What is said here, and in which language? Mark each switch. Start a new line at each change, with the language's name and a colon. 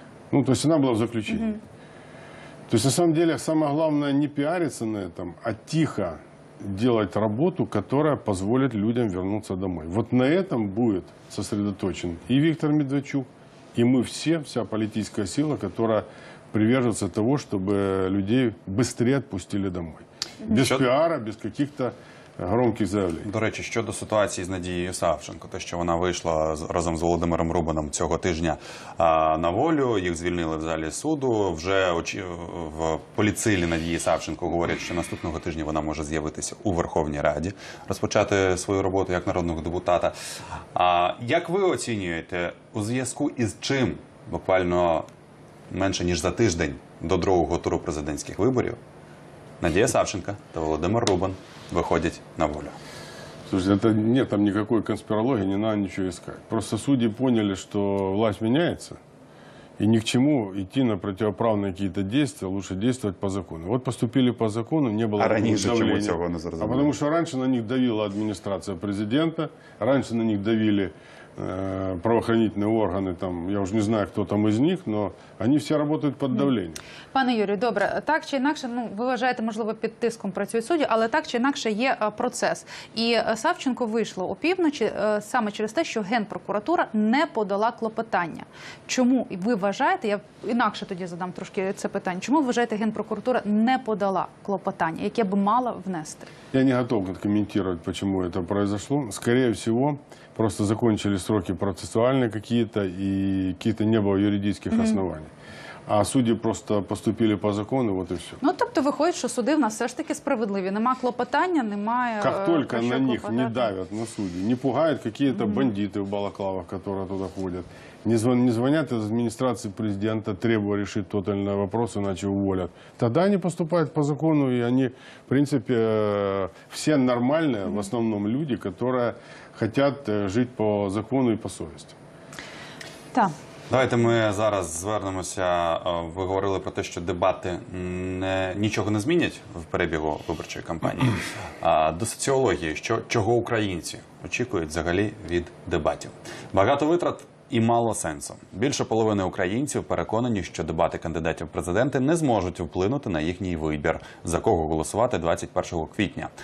Russian: Ну, то есть она была в заключении. Угу. То есть на самом деле самое главное не пиариться на этом, а тихо делать работу, которая позволит людям вернуться домой. Вот на этом будет сосредоточен и Виктор Медведчук, и мы все, вся политическая сила, которая приверживается того, чтобы людей быстрее отпустили домой. Без пиара, без каких-то громких заявлений.
Ukrainian: До речі, щодо ситуації з Надією Савченко, те, що вона вийшла разом з Володимиром Рубаном цього тижня на волю, їх звільнили в залі суду. Вже в поліцилі Надії Савченко говорять, що наступного тижня вона може з'явитися у Верховній Раді, розпочати свою роботу як народного депутата. Як ви оцінюєте, у зв'язку із чим буквально менше ніж за тиждень до другого туру президентських виборів Надія Савченко та Володимир Рубан виходять на волю?
Russian: Слушайте, это, нет, там никакой конспирологии, не надо ничего искать. Просто судьи поняли, что власть меняется, и ни к чему идти на противоправные какие-то действия, лучше действовать по закону. Вот поступили по закону, не было давления. А потому что раньше на них давила администрация президента, раньше на них давили правоохранительные органы, там, я уже не знаю, кто там из них, но они все работают под давлением.
Ukrainian: Пане Юрію, добре, так чи інакше, ну, ви вважаєте, можливо, під тиском працює судді, але так чи інакше є процес. І Савченко вийшло опівночі саме через те, що Генпрокуратура не подала клопотання. Чому ви вважаєте, я інакше тоді задам трошки це питання, чому ви вважаєте, Генпрокуратура не подала клопотання, яке б мала внести?
Russian: Я не готов комментировать, почему это произошло. Скорее всего, просто закончили сроки процессуальные какие-то, и какие-то не было юридических оснований. А судьи просто поступили по закону, вот и все.
Ukrainian: Ну, тобто виходить, що суди в нас все ж таки справедливі. Нема клопотання, немає...
Russian: Как только на них не давят, на судьи, не пугают какие-то бандиты в балаклавах, которые туда ходят, не звонят из администрации президента, требуя решить тот или иной вопрос, иначе уволят, тогда они поступают по закону, и они, в принципе, все нормальные, в основном люди, которые хотят жить по закону и по совести.
Ukrainian: Так. Давайте ми зараз звернемося. Ви говорили про те, що дебати нічого не змінять в перебігу виборчої кампанії. До соціології. Чого українці очікують взагалі від дебатів? Багато витрат і мало сенсу. Більше половини українців переконані, що дебати кандидатів в президенти не зможуть вплинути на їхній вибір, за кого голосувати 21 квітня.